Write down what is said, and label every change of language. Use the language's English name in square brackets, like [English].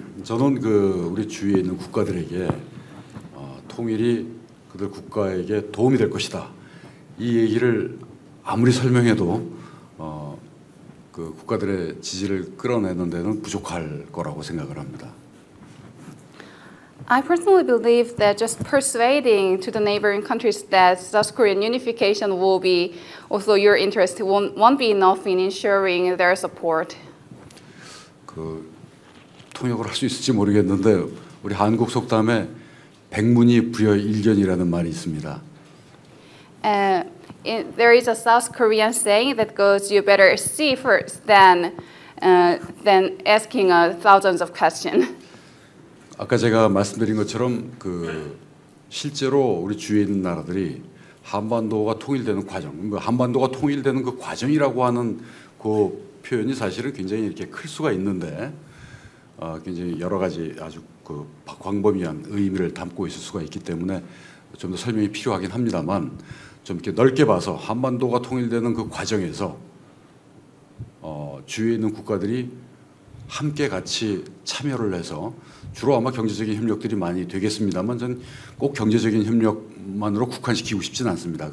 [English] I personally believe that just persuading to the neighboring countries that South Korean unification will be also your interest won't be enough in ensuring their support. [Korean] 통역을 할 수 있을지 모르겠는데 우리 한국 속담에 백문이 불여 일견이라는 말이 있습니다. [English] There is a South Korean saying that goes, "You better see first than asking thousands of questions." [Korean] 아까 제가 말씀드린 것처럼 그 실제로 우리 주위에 있는 나라들이 한반도가 통일되는 과정, 한반도가 통일되는 그 과정이라고 하는 그 표현이 사실은 굉장히 이렇게 클 수가 있는데. 굉장히 여러 가지 아주 그 광범위한 의미를 담고 있을 수가 있기 때문에 좀 더 설명이 필요하긴 합니다만 좀 이렇게 넓게 봐서 한반도가 통일되는 그 과정에서 주위에 있는 국가들이 함께 같이 참여를 해서 주로 아마 경제적인 협력들이 많이 되겠습니다만 저는 꼭 경제적인 협력만으로 국한시키고 싶지는 않습니다.